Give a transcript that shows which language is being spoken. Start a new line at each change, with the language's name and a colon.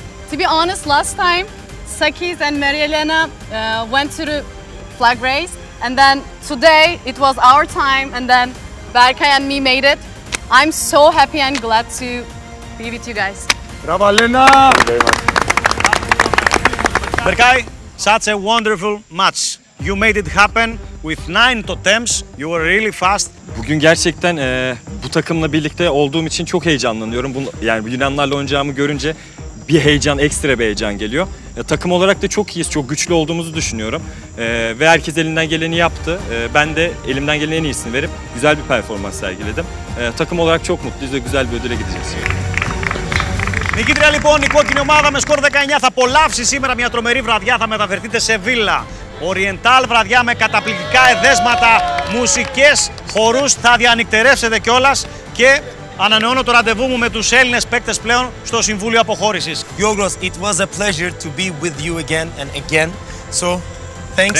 English: To be honest, last time Sakis and Maria Elena went to the flag race and then today it was our time and then Berkay and me made it. I'm so happy and glad to be with you guys. Bravo, Elena! Berkay, such a wonderful match. You made it happen with 9 totems. You were really fast.
Turkish: Bugün gerçekten bu takımla birlikte olduğum için çok heyecanlanıyorum. Yani Yunanlarla oynayacağımı görünce bir heyecan, ekstra bir heyecan geliyor. Takım olarak da çok iyiyiz, çok güçlü olduğumuzu düşünüyorum. Ve herkes elinden geleni yaptı. Ben de elimden gelen en iyisini verip güzel bir performans sergiledim. Takım olarak çok mutluyuz ve güzel bir ödüle gideceğiz.
Greek: Νικήτρια λοιπόν, η κόκκινη ομάδα με σκορ 19 θα απολαύσει σήμερα μια τρομερή βραδιά, θα μεταφερθείτε σε βίλα. Οριεντάλ βραδιά με καταπληκτικά εδέσματα, μουσικές, χορούς, θα διανυκτερεύσετε κιόλας και ανανεώνω το ραντεβού μου με τους Έλληνες παίκτες πλέον στο Συμβούλιο Αποχώρησης.
English: Γιώργος, it was a pleasure to be with you again and again, so thanks.